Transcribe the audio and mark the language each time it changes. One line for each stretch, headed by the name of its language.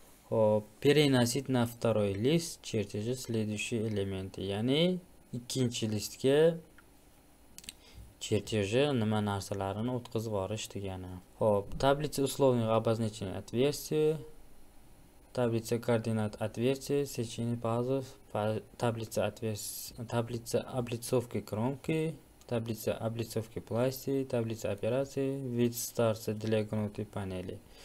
Russian: Xo'p, переносит на второй лист чертежи следующие элементы.
Uzbek: Ya'ni ikkinchi listga чертежи nima narsalarini o'tkazib yuborish degani.
Russian: Xo'p, таблица условных обозначений отверстий. Таблица координат отверстия, сечение пазов, таблица отверстий, таблица облицовки кромки, таблица облицовки пластины, таблица операции, вид старца для гнутой панели.